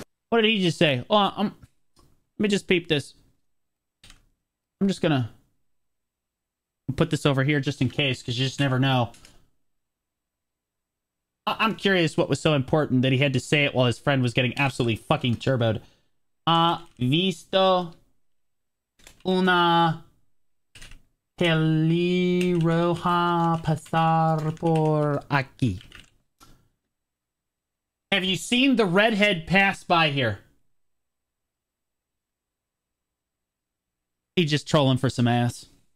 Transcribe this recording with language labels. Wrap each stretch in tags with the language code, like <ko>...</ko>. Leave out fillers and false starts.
<en>What did he just say? Oh, let me just peep this. I'm just gonna put this over here just in case, because you just never know. I'm curious what was so important that he had to say it while his friend was getting absolutely fucking turboed.</en> <es>Ha visto una pelirroja pasar por aquí.</es> <en>Have you seen the redhead pass by here? He just trolling for some ass.</en>